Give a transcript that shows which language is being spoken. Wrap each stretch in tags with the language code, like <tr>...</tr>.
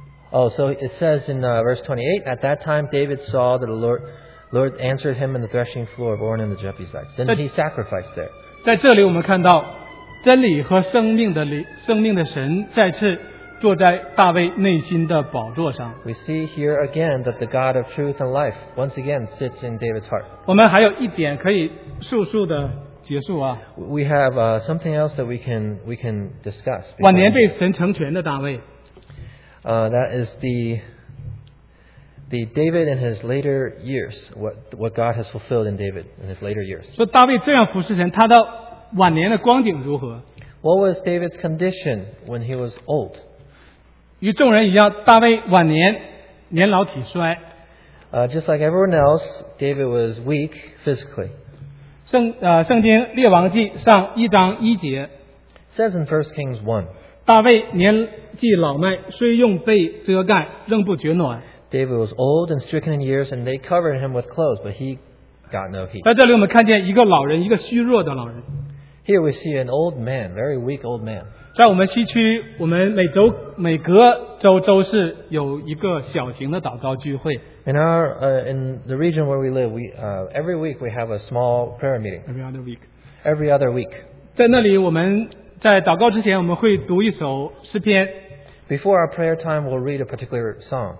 <en>Oh, so it says in verse 28, at that time David saw that the Lord answered him in the threshing floor of Ornan the Jebusite. Then he sacrificed there.</en> <zh>在这里我们看到真理和生命的神再次坐在大卫内心的宝座上。</zh> <en>We see here again that the God of truth and life once again sits in David's heart.</en> <zh>我们还有一点可以速速的结束啊。</zh> <en>We have something else that we can discuss.</en> <zh>晚年被神成全的大卫。</zh> <en>That is the David in his later years, what God has fulfilled in David in his later years.</en> <zh>说大卫这样服侍神，他的晚年的光景如何？</zh> <en>What was David's condition when he was old?</en> <zh>与众人一样，大卫晚年年老体衰。</zh> <en>Just like everyone else, David was weak physically.</en> <zh>圣经列王记上一章一节</zh> <en>says in 1 Kings 1.</en> <zh>大卫年纪老迈，虽用被遮盖，仍不觉暖。</zh> <en>David was old and stricken in years, and they covered him with clothes, but he got no heat.</en> <zh>在这里我们看见一个老人，一个虚弱的老人。</zh> <en>Here we see an old man, very weak old man.</en> <zh>在我们西区，我们每隔周周四有一个小型的祷告聚会。</zh> <en>In our in the region where we live, every week we have a small prayer meeting. Every other week. Every other week.</en> <zh>在那里我们。在祷告之前我们会读一首诗篇。</zh> <en>Before our prayer time, we'll read a particular song.</en>